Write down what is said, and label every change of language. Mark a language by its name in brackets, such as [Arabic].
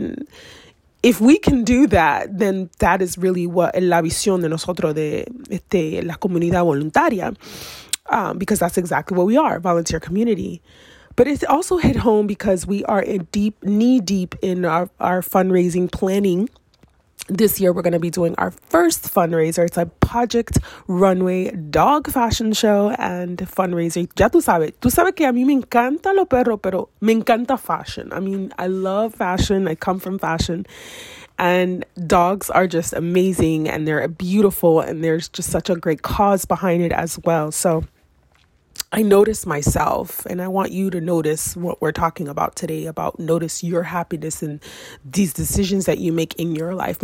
[English] And if we can do that, then that is really what [Spanish] la visión de nosotros de la comunidad voluntaria, [English] because that's exactly what we are, volunteer community. But it's also hit home because we are knee deep in our fundraising planning. This year, we're going to be doing our first fundraiser. It's a Project Runway dog fashion show and fundraiser. [Spanish] Ya tú sabes que a mí me encanta lo perro, pero me encanta fashion. [English] I mean, I love fashion. I come from fashion. And dogs are just amazing, and they're beautiful, and there's just such a great cause behind it as well. So I notice myself, and I want you to notice what we're talking about today, about notice your happiness and these decisions that you make in your life.